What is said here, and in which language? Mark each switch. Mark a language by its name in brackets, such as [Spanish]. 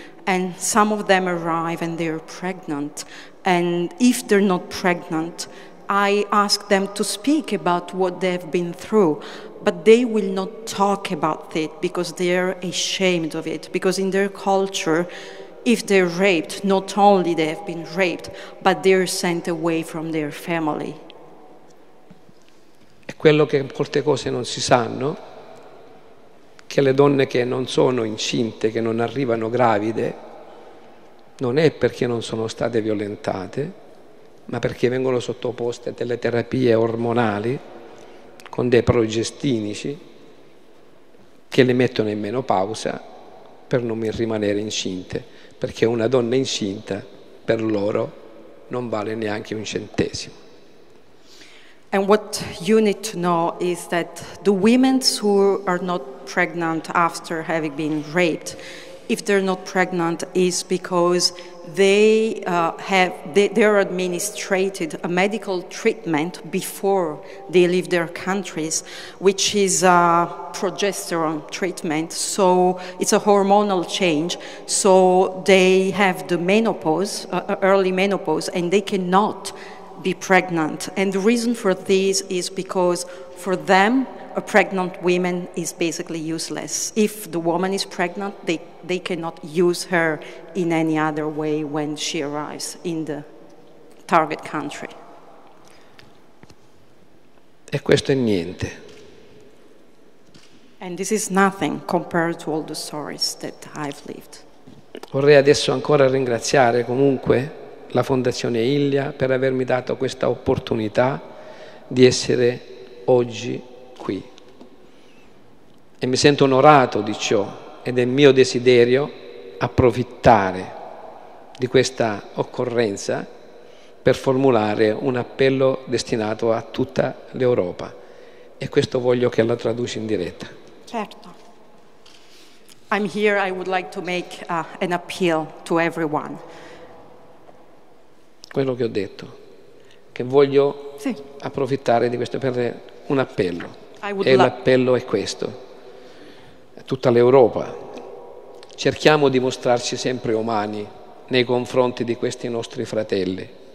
[English] and some of them arrive and they're pregnant, and if they're not pregnant, I ask them to speak about what they've been through, but they will not talk about it because they're ashamed of it, because in their culture, if they're raped, not only they have been raped, but they're sent away from their family. [Italian] È quello che molte cose non si sanno, che le donne che non sono incinte, che non arrivano gravide, non è perché non sono state violentate, ma perché vengono sottoposte a delle terapie ormonali con dei progestinici che le mettono in menopausa per non rimanere incinte, perché una donna incinta per loro non vale neanche un centesimo. [English] And what you need to know is that the women who are not pregnant after having been raped, if they're not pregnant, is because they're administered a medical treatment before they leave their countries, which is a progesterone treatment. So it's a hormonal change. So they have the menopause, early menopause, and they cannot be pregnant. And the reason for this is because for them, a pregnant woman is basically useless. If the woman is pregnant, they cannot use her in any other way when she arrives in the target country. [Italian] E questo è niente. [English] And this is nothing compared to all the stories that I've lived. [Italian] Vorrei adesso ancora ringraziare comunque la Fondazione INLIA per avermi dato questa opportunità di essere oggi qui. E mi sento onorato di ciò ed è mio desiderio approfittare di questa occorrenza per formulare un appello destinato a tutta l'Europa. E questo voglio che la traduci in diretta. Certo. [English] I'm here, I would like to make an appeal to everyone. [Italian] Quello che ho detto, che voglio approfittare di questo per un appello. E l'appello è questo. A tutta l'Europa cerchiamo di mostrarci sempre umani nei confronti di questi nostri fratelli.